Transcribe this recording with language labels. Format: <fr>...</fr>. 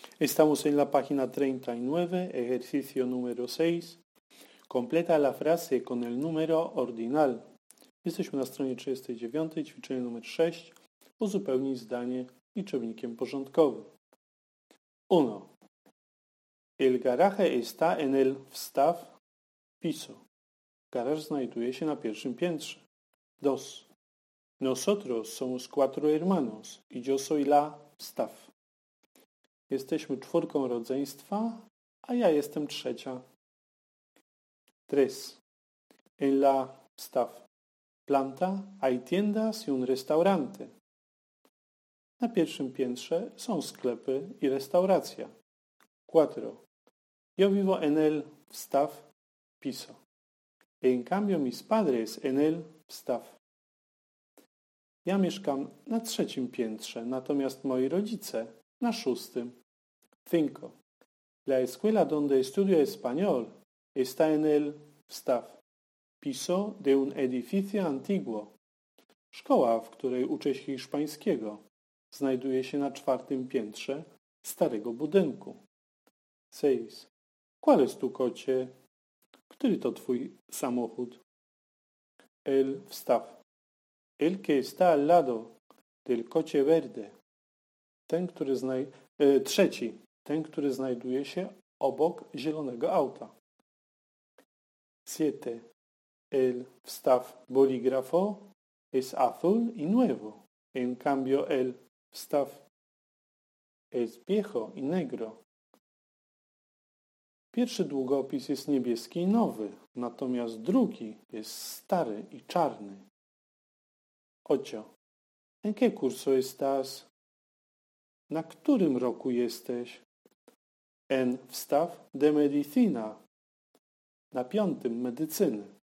<es>Estamos en la página 39, ejercicio número 6. Completa la frase con el número ordinal.</es> <pl>Jesteśmy na stronie 39, ćwiczenie numer 6. Uzupełnij zdanie liczebnikiem porządkowym. 1.</pl> <es>El garaje está en el wstaw piso.</es> <pl>Garaż znajduje się na pierwszym piętrze. 2.</pl> <es>Nosotros somos cuatro hermanos y yo soy la wstaw.</es> <pl>Jesteśmy czwórką rodzeństwa, a ja jestem trzecia. 3.</pl> <es>En la staff planta hay tiendas y un restaurante.</es> <pl>Na pierwszym piętrze są sklepy i restauracja.</pl> <es>4. Yo vivo en el staff piso. En cambio mis padres en el staff.</es> <pl>Ja mieszkam na trzecim piętrze, natomiast moi rodzice na szóstym. 5.</pl> <es>La escuela donde estudio español está en el wstaw piso de un edificio antiguo.</es> <pl>Szkoła, w której uczę się hiszpańskiego, znajduje się na czwartym piętrze starego budynku.</pl> <es>6. ¿Cuál es tu coche?</es> <pl>Który to twój samochód?</pl> <es>El wstaw. El que está al lado del coche verde.</es> <pl>Ten, który trzeci. Ten, który znajduje się obok zielonego auta. 7.</pl> <es>El wstaw boligrafo es azul y nuevo. En cambio el wstaw es viejo y negro.</es> <pl>Pierwszy długopis jest niebieski i nowy, natomiast drugi jest stary i czarny.</pl> <es>8. En qué curso estás?</es> <pl>Na którym roku jesteś?</pl> <es>En wstaw de medicina.</es> <pl>Na piątym medycyny.</pl>